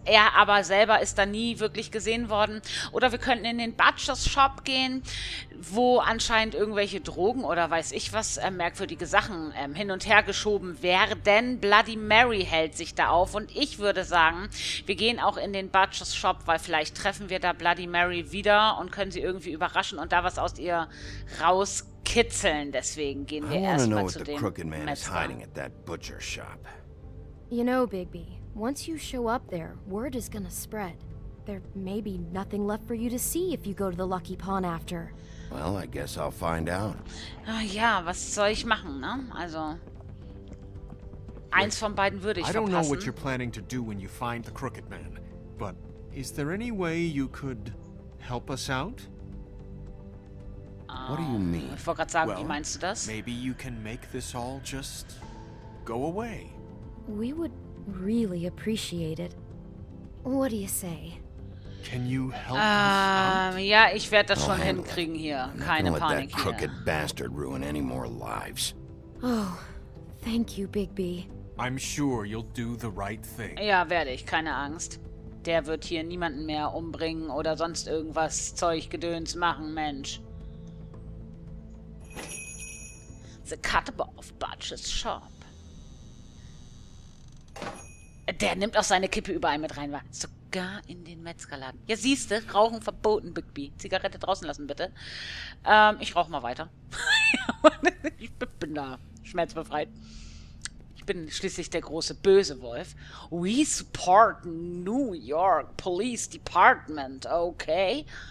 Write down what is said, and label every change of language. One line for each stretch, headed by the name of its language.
German: Er aber selber ist da nie wirklich gesehen worden. Oder wir könnten in den Butcher's Shop gehen, wo anscheinend irgendwelche Drogen oder weiß ich was, merkwürdige Sachen hin und her geschoben werden. Bloody Mary hält sich da auf. Und ich würde sagen, wir gehen auch in den Butcher's Shop, weil vielleicht treffen wir da Bloody Mary wieder und können sie irgendwie überraschen und da was aus ihr rauskriegen. Kitzeln, deswegen gehen wir erstmal zu dem Metzger.
English: The crooked man is hiding at that butcher shop. You know, Bigby, once you show up there, word is gonna spread. There may be nothing left for you to see if you go to the Lucky Pawn after. Well, I guess I'll find out.
German: Ach ja, was soll ich machen, ne? Also eins von beiden würde ich verpassen.
English: I don't know what you're planning to do when you find the crooked man, but is there any way you could help us out? What do you mean?
German: Ich wollte gerade sagen, wie meinst du das?
English: Maybe you can make this all just go away. We would really appreciate it. What do you say? Can you help us?
German: Ja, ich werde das schon hinkriegen hier. Keine Panik.
English: Don't let that crooked bastard ruin any more lives. Oh, thank you, Bigby. I'm sure you'll do the right thing.
German: Ja, werde ich. Keine Angst. Der wird hier niemanden mehr umbringen oder sonst irgendwas Zeuggedöns machen, Mensch.
English: The Cutter of Butcher's Shop.
German: Der nimmt auch seine Kippe überall mit rein, war sogar in den Metzgerladen. Ja, siehst du, Rauchen verboten, Bigby. Zigarette draußen lassen, bitte. Ich rauche mal weiter. Ich bin da schmerzbefreit. Ich bin schließlich der große böse Wolf.
English: We support New York Police Department, okay.